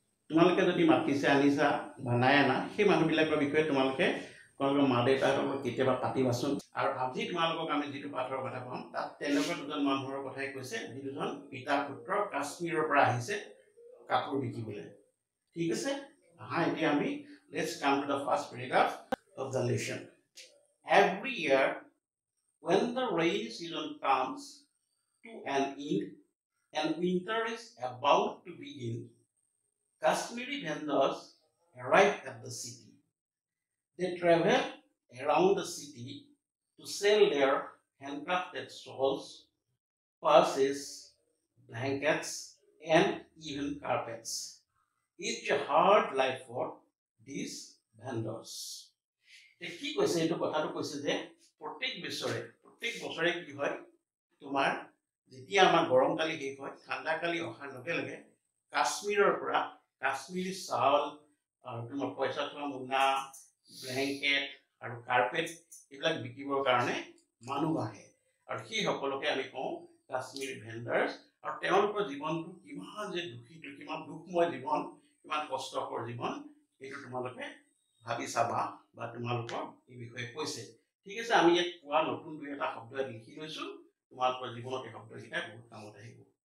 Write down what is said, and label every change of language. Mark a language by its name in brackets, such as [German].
[Assamese] তোমালোকে যদি মাতিছে আনিছা বা নাই আনা সেই মানুহবিলাকৰ বিষয়ে তোমালোকৰ মা দেউতাৰ লগত কেতিয়াবা পাতিবাচোন আৰু আজি তোমালোকক আমি যিটো পাঠৰ কথা ক'ম তাত তেনেকুৱা দুজন মানুহৰ কথাই কৈছে যি দুজন পিতা পুত্ৰ কাশ্মীৰৰ পৰা আহিছে কাপোৰ বিকিবলৈ ঠিক আছে [English] Let's come to the first paragraph of the lesson. Every year, when the rainy season comes to an end and winter is about to begin, Kashmiri vendors arrive at the city. They travel around the city to sell their handcrafted shawls, purses, blankets, and even carpets. It's a hard life for these vendors. [Assamese] কি কৈছে এইটো কথাটো কৈছে যে প্ৰত্যেক বছৰে কি হয় তোমাৰ যেতিয়া আমাৰ গৰমকালি শেষ হয় ঠাণ্ডাকালি অহাৰ লগে লগে কাশ্মীৰৰ পৰা কাশ্মীৰী চাউল আৰু তোমাৰ পইচা থোৱা মুনা ব্লেংকেট আৰু কাৰ্পেট এইবিলাক বিকিবৰ কাৰণে মানুহ আহে আৰু সেইসকলকে আমি কওঁ কাশ্মীৰ ভেণ্ডাৰ্ছ আৰু তেওঁলোকৰ জীৱনটো কিমান যে দুখিত কিমান দুখময় জীৱন কিমান কষ্টকৰ জীৱন সেইটো তোমালোকে ভাবি চাবা বা তোমালোকক এই বিষয়ে কৈছে ঠিক আছে আমি ইয়াত কোৱা নতুন দুই এটা শব্দ ইয়াত লিখি লৈছোঁ তোমালোকৰ জীৱনত এই শব্দকেইটাই বহুত কামত আহিব